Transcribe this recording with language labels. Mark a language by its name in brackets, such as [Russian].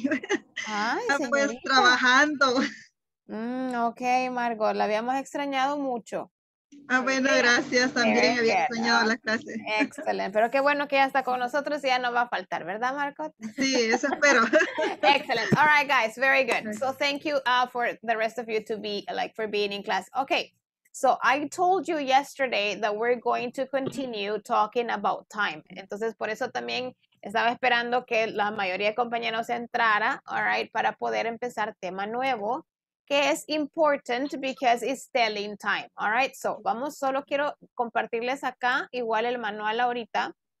[English] Hi, señorita. [Spanish] Pues trabajando. Ok, Margot, la habíamos extrañado mucho. Ah, bueno, gracias, también había extrañado la clase. Excelente, pero qué bueno que ya está con nosotros y ya no va a faltar, ¿verdad, Marco? Sí, eso espero. [English] Excelente, all right, guys, very good. Okay. So thank you for the rest of you to be, like, for being in class. Okay, so I told you yesterday that we're going to continue talking about time. [Spanish] Entonces, por eso también estaba esperando que la mayoría de compañeros entrara, [English] all right, [Spanish] para poder empezar tema nuevo. Que es [English] important because it's telling time, all right? [Spanish] So, vamos, solo quiero compartirles acá, igual el manual ahorita.